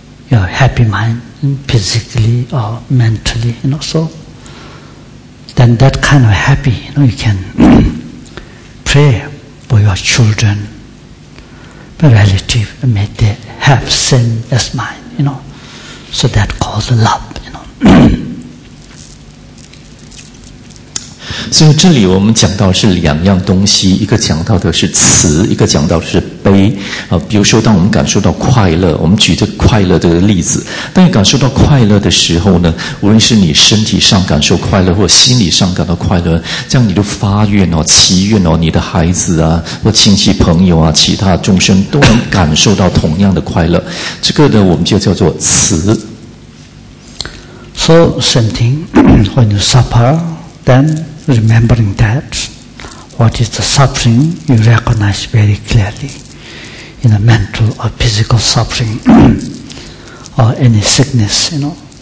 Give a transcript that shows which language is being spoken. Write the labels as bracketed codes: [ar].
[en] Your happy mind, physically or mentally, you know, so then that kind of happy, you know, you can pray for your children, relative, may they have same as mine, you know, so that calls love, you know. [zh] 所以这里我们讲到是两样东西，一个讲到的是慈，一个讲到的是悲。比如说当我们感受到快乐，我们举着快乐的例子，当你感受到快乐的时候呢，无论是你身体上感受快乐或心理上感到快乐，这样你就发愿哦，祈愿哦，你的孩子啊或亲戚朋友啊其他众生都能感受到同样的快乐，这个呢我们就叫做慈。 [en] So, sitting, when you suffer, then remembering that, what is the suffering, you recognize very clearly. You know, mental or physical suffering, or any sickness, you know.